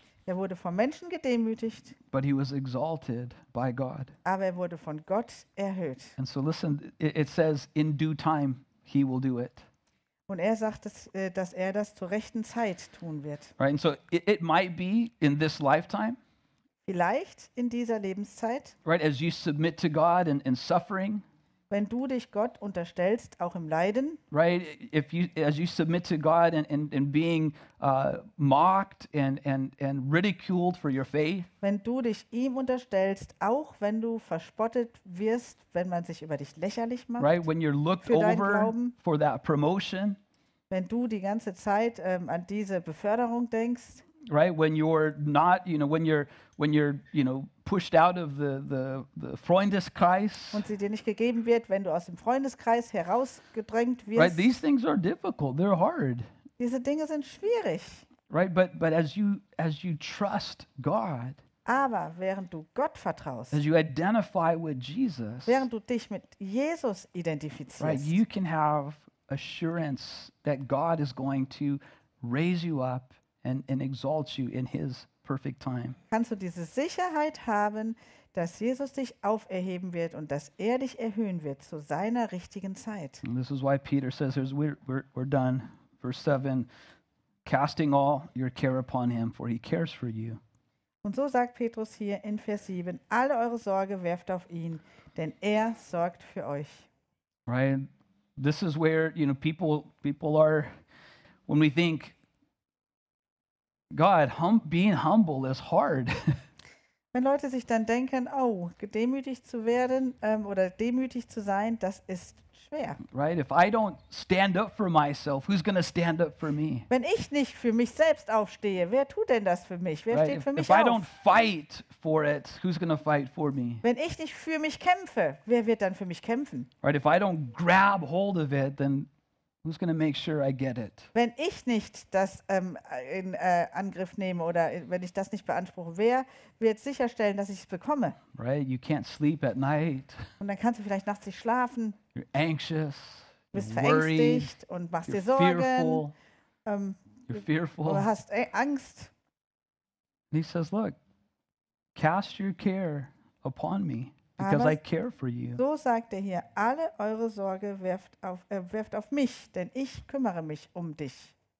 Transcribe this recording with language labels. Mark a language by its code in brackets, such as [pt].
[de] Er wurde vor Menschen gedemütigt. [en] But he was exalted by God. [de] Aber er wurde von Gott erhöht. [en] And so listen, it says in due time he will do it. [de] Und er sagt, dass er das zur rechten Zeit tun wird. [en] Right, and so it might be in this lifetime. [de] Vielleicht in dieser Lebenszeit. [en] Right, as you submit to God and in suffering. [de] Wenn du dich Gott unterstellst, auch im Leiden. [en] Right, if you, as you submit to God and being mocked and ridiculed for your faith. [de] Wenn du dich ihm unterstellst, auch wenn du verspottet wirst, wenn man sich über dich lächerlich macht. [en] Right, when you're looked over for that promotion. [de] Wenn du die ganze Zeit an diese Beförderung denkst. [en] right? When you're not, you know, when you're, you know, pushed out of the Freundeskreis. [de] Und sie dir nicht gegeben wird, wenn du aus dem Freundeskreis herausgedrängt wirst. [en] Right, these things are difficult. They're hard. [de] Diese Dinge sind schwierig. [en] Right, but as you trust God. [de] Aber während du Gott vertraust. [en] As you identify with Jesus. [de] Während du dich mit Jesus identifizierst. [en] Right, you can have assurance that God is going to raise you up and exalt you in his perfect time. [de] Kannst du diese Sicherheit haben, dass Jesus dich auferheben wird und dass er dich erhöhen wird zu seiner richtigen Zeit. [en] And this is why Peter says, we're done. Verse 7, casting all your care upon him, for he cares for you. [de] Und so sagt Petrus hier in Vers 7, alle eure Sorge werft auf ihn, denn er sorgt für euch. [en] Right, this is where, you know, people are, when we think, God, being humble is hard. [de] Wenn Leute sich dann denken, oh, demütig zu werden oder demütig zu sein, das ist schwer. [en] Right, if I don't stand up for myself, who's going to stand up for me? [de] Wenn ich nicht für mich selbst aufstehe, wer tut denn das für mich? Wer steht für mich auf? [en] If I don't fight for it, who's going to fight for me? [de] Wenn ich nicht für mich kämpfe, wer wird dann für mich kämpfen? [en] Right, if I don't grab hold of it, then who's going to make sure I get it? [de] Wenn ich nicht das in Angriff nehme oder wenn ich das nicht beanspruche, wer wird sicherstellen, dass ich es bekomme? [en] Right, you can't sleep at night. [de] Und dann kannst du vielleicht nachts nicht schlafen. [en] You're anxious. [de] Du bist verängstigt und machst dir Sorgen. [en] You're fearful. [de] Du hast Angst. [en] And he says, look, cast your care upon me. Because I care for you. [de] So sagt er hier, alle eure Sorge werft auf mich, denn ich kümmere mich um dich.